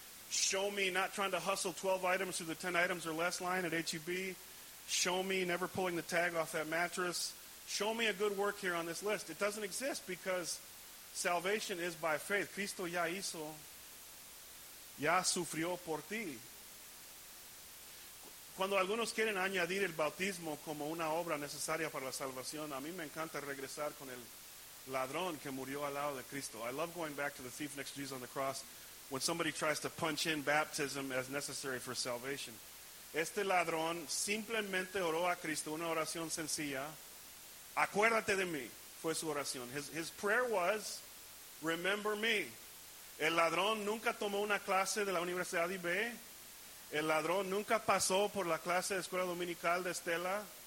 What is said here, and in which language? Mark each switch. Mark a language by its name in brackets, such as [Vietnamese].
[English] Show me not trying to hustle 12 items through the 10 items or less line at HEB. Show me never pulling the tag off that mattress. Show me a good work here on this list. It doesn't exist because salvation is by faith. [Spanish] Cristo ya hizo ya sufrió por ti. Cuando algunos quieren añadir el bautismo como una obra necesaria para la salvación, a mí me encanta regresar con el ladrón que murió al lado de Cristo. [English] I love going back to the thief next to Jesus on the cross when somebody tries to punch in baptism as necessary for salvation. [Spanish] Este ladrón simplemente oró a Cristo una oración sencilla. Acuérdate de mí, fue su oración. [English] His prayer was, remember me. [Spanish] El ladrón nunca tomó una clase de la Universidad IB. El ladrón nunca pasó por la clase de escuela dominical de Estela.